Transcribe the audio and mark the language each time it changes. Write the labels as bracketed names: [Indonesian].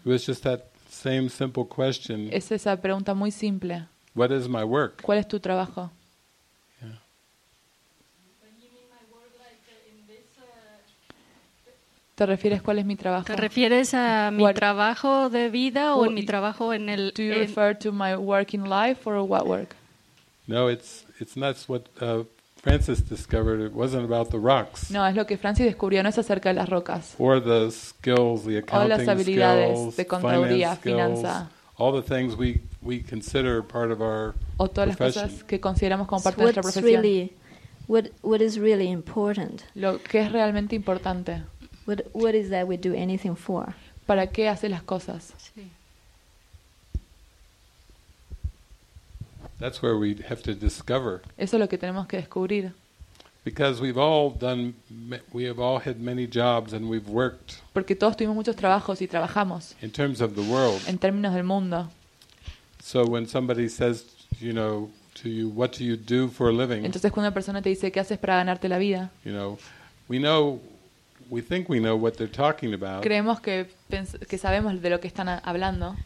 [English] It was just that same simple question. [Spanish] Es esa pregunta muy simple. [English] What is my work? [Spanish] ¿Cuál es tu trabajo? ¿Te refieres cuál es mi trabajo? ¿Te refieres a mi trabajo de vida o en mi trabajo en el? [English] Do you refer to my work in life or what work? No, it's not what Francis discovered. It wasn't about the rocks. [Spanish] No, es lo que Francis descubrió. No es acerca de las rocas. [English] Or the skills, the accounting skills, finance skills, all the things we consider part of our profession. [Spanish] O todas las cosas que consideramos como parte de nuestra profesión. [English] Really, what is really important? [Spanish] Lo que es realmente importante. [English] What is that we do anything for? [Spanish] ¿Para qué hace las cosas? Sí. [English] That's where we have to discover. [Spanish] Eso es lo que tenemos que descubrir. [English] Because we've all done, we have all had many jobs and we've worked. [Spanish] Porque todos tuvimos muchos trabajos y trabajamos. [English] In terms of the world. [Spanish] En términos del mundo. [English] So when somebody says, you know, to you, what do you do for a living? [Spanish] Entonces cuando una persona te dice qué haces para ganarte la vida. [English] You know, we think we know what they're talking about. [Spanish] Creemos que sabemos de lo que están hablando.